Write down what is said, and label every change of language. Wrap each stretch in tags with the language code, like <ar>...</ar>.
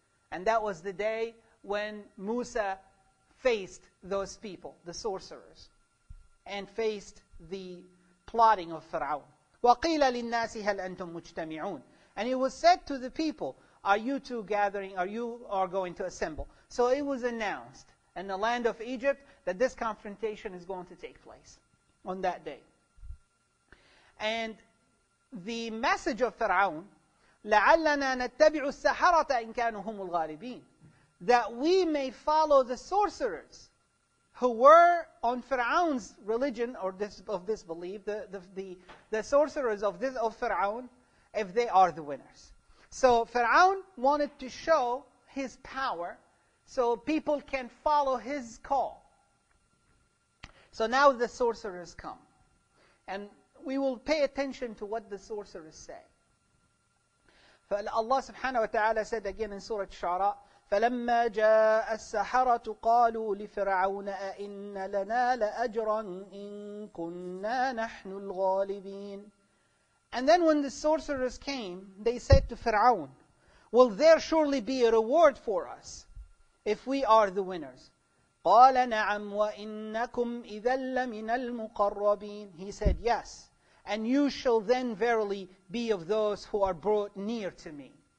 <en>And that was the day when Musa faced those people, the sorcerers, and faced the plotting of Fir'aun.</en> <ar>وَقِيلَ لِلنَّاسِ هَلْ أَنْتُمْ مُجْتَمِعُونَ.</ar> <en>And it was said to the people, are you two gathering, are you are going to assemble? So it was announced in the land of Egypt that this confrontation is going to take place on that day. And the message of Fir'aun,</en> <ar>لَعَلَّنَا نَتَّبِعُ السَّحَرَةَ إِنْ كَانُوا هُمُ الْغَالِبِينَ.</ar> <en>That we may follow the sorcerers who were on Fir'aun's religion or this, of this belief, the sorcerers of this of Fir'aun, if they are the winners. So Fir'aun wanted to show his power so people can follow his call. So now the sorcerers come. And we will pay attention to what the sorcerers say. Allah subhanahu wa ta'ala said again in Surah Shara,</en> <ar>فَلَمَّا جَاءَ السَّحَرَةُ قَالُوا لِفِرْعَوْنَ أَإِنَّ لَنَا لَأَجْرًا إِن كُنَّا نَحْنُ الْغَالِبِينَ.</ar> <en>And then when the sorcerers came, they said to Fir'aun, will there surely be a reward for us if we are the winners?</en> <ar>قَالَ نَعَمْ وَإِنَّكُمْ إِذًا لَمِنَ الْمُقَرَّبِينَ.</ar> <en>He said, yes, and you shall then verily be of those who are brought near to me.</en>